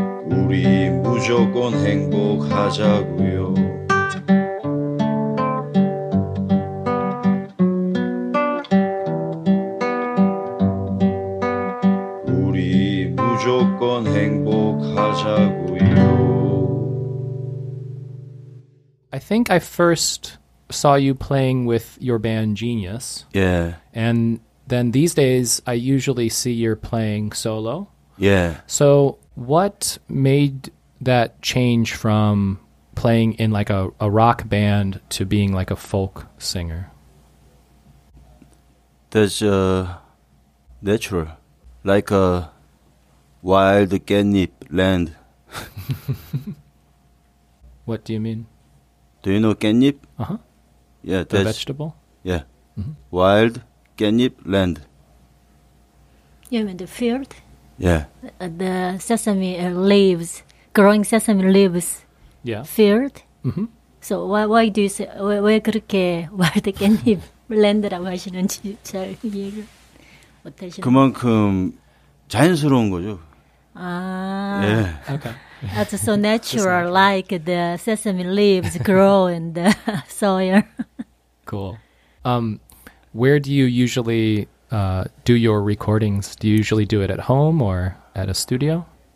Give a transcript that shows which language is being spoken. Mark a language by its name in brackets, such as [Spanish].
[Korean] 우리 무조건 행복하자구요. 우리 무조건 행복하자구요. [English] I think I first saw you playing with your band Genius. Yeah. And then these days, I usually see you're playing solo. Yeah. So what made that change from playing in like a rock band to being like a folk singer? That's natural. Like a wild catnip land. What do you mean? Do you know catnip? Uh-huh. Yeah, that's... The vegetable? Yeah. Mm-hmm. Wild catnip land. You mean the field? Yeah. The sesame leaves, growing sesame leaves. Yeah. Field? Mm-hmm. So why do you say, why [Korean] 그렇게 [English] wild catnip land라고 하시는지 [Korean] 잘 이해를 못하시는지. 그만큼 자연스러운 거죠. 아. [English] Yeah. Okay. That's so natural, like the sesame leaves grow in the soil. Cool. Where do you usually do your recordings? Do you usually do it at home or at a studio?